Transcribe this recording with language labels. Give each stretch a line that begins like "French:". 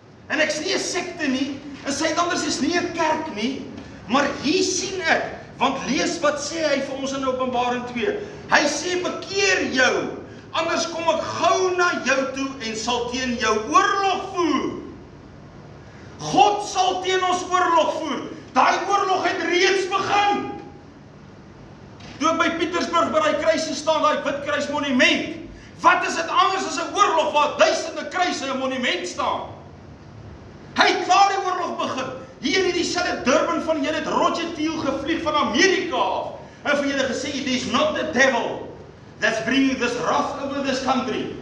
Afrikaans: En ek sien 'n sekte nie, en sy anders is nie 'n kerk nie, maar hier sien ek, want lees wat sê hy vir ons in Openbaring 2. Hy sê, bekeer jou, anders kom ek gauw na jou toe en sal teen jou oorlog voer. God sal teen ons oorlog voer. Daai oorlog het reeds begin. Toe by Pietersburg by die kruise staan, die Witkruis monument. Wat is het anders as 'n oorlog waar duisende kruise in 'n monument staan? Hy het daar die oorlog begin. Hier in die selde Durban van julle het Roger Thiel gevlieg van Amerika af. En vir julle gesê,
English: it is not the devil that's bringing this wrath over this country.